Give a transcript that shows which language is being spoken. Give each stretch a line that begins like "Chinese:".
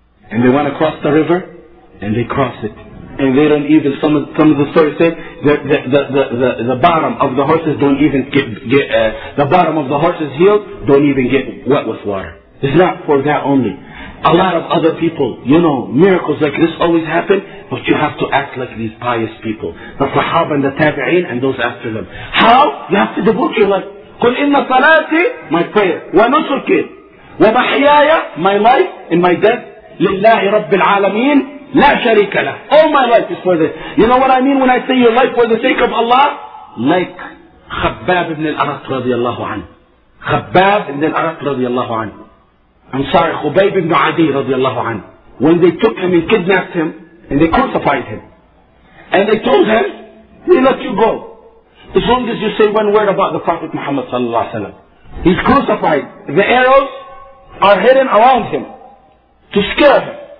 English: And they went across the river, and they cross it. And they don't even, some of the stories say, the bottom of the horses don't even get the bottom of the horses' heels don't even get wet with water. It's not for that only. A lot of other people, you know, miracles like this always happen, but you have to act like these pious people. The Sahaba and the Tabi'een and those after them. How? You have to devote your life.
Arabic: قُلْ إِنَّ صَلَاتِي
English: my prayer.
Arabic: وَنُسُكِ وَمَحْيَايَ
English: my life and my death.
Arabic: لِلَّهِ رَبِّ الْعَالَمِينَ لَا شَرِكَ لَهُ
English: All my life is for this. You know what I mean when I say your life for the sake of Allah? Like خَبَّاب ibn al-Arat رضي الله عنه. خَبَّاب ibn al-Arat رضي الله عنه. I'm sorry, خُبَيْب ibn عَدِي رضي الله عنه. When they took him and kidnapped him, and they crucified him. And they told him, we let you go. As long as you say one word about the Prophet Muhammad sallallahu alaihi wasallam. He's crucified. The arrows are hidden around him. To scare him.